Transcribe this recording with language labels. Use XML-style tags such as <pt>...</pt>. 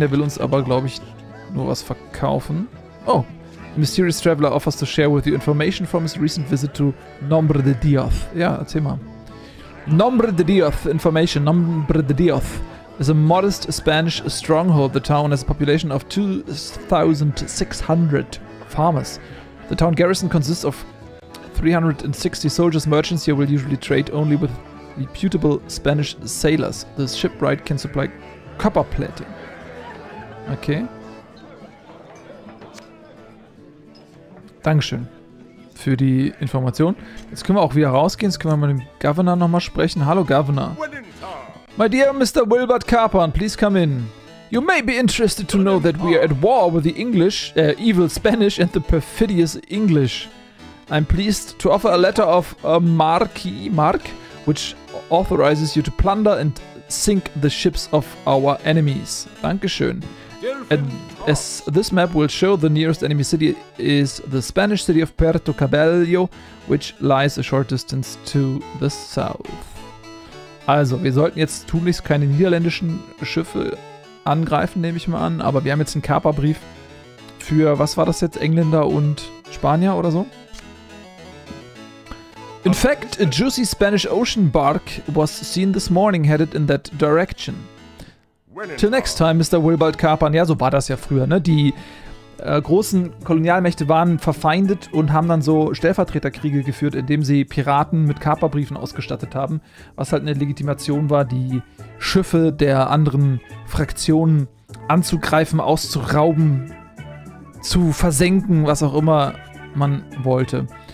<de>Der will uns aber, glaube ich, nur was verkaufen.</de> <en>Oh, the mysterious traveler offers to share with you information from his recent visit to Nombre de Dios.</en> <de>Ja, erzähl mal.</de> <en>Nombre de Dios, information, Nombre de Dios, is a modest Spanish stronghold. The town has a population of 2,600 farmers. The town garrison consists of 360 soldiers. Merchants here will usually trade only with reputable Spanish sailors. The shipwright can supply copper plating. Okay.</en> <de>Dankeschön für die Information. Jetzt können wir auch wieder rausgehen. Jetzt können wir mit dem Governor nochmal sprechen. Hallo, Governor.</de> <en>My dear Mr. Wilbert Carpon, please come in. You may be interested to know that we are at war with the English, evil Spanish and the perfidious English. I'm pleased to offer a letter of a marque, which authorizes you to plunder and sink the ships of our enemies. Dankeschön. And as this map will show, the nearest enemy city is the Spanish city of Puerto Cabello, which lies a short distance to the south.</en> <de>Also, wir sollten jetzt tunlichst keine niederländischen Schiffe angreifen, nehme ich mal an. Aber wir haben jetzt einen Kaperbrief für, was war das jetzt, Engländer und Spanier oder so?</de> <en>In fact, a juicy Spanish ocean bark was seen this morning headed in that direction. Till next time,</en> <de>Mr. Wilbald Carpan. Ja, so war das ja früher, ne? Die großen Kolonialmächte waren verfeindet und haben dann so Stellvertreterkriege geführt, indem sie Piraten mit Kaperbriefen ausgestattet haben, was halt eine Legitimation war, die Schiffe der anderen Fraktionen anzugreifen, auszurauben, zu versenken, was auch immer man wollte.</de>